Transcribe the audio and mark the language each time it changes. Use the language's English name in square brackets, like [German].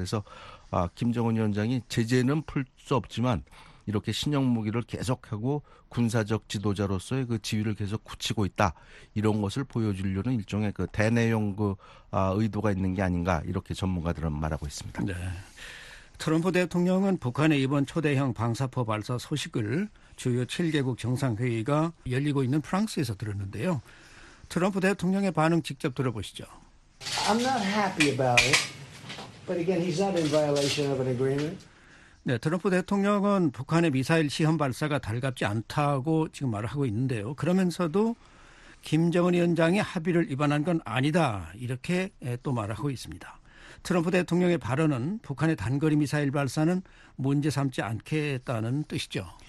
[Korean] 그래서 김정은 위원장이 제재는 풀 수 없지만 이렇게 신형 무기를 계속하고 군사적 지도자로서의 그 지위를 계속 굳히고 있다 이런 것을 보여주려는 일종의 그 대내용 그 의도가 있는 게 아닌가 이렇게 전문가들은 말하고 있습니다. 네. 트럼프 대통령은 북한의 이번 초대형 방사포 발사 소식을 주요 7개국 정상회의가 열리고 있는 프랑스에서 들었는데요. 트럼프 대통령의 반응 직접 들어보시죠. [English] I'm not happy about it, but again, he's not in violation of an agreement. [Korean] 네, 트럼프 대통령은 북한의 미사일 시험 발사가 달갑지 않다고 지금 말을 하고 있는데요. 그러면서도 김정은 위원장이 합의를 위반한 건 아니다 이렇게 또 말하고 있습니다. 트럼프 대통령의 발언은 북한의 단거리 미사일 발사는 문제 삼지 않겠다는 뜻이죠.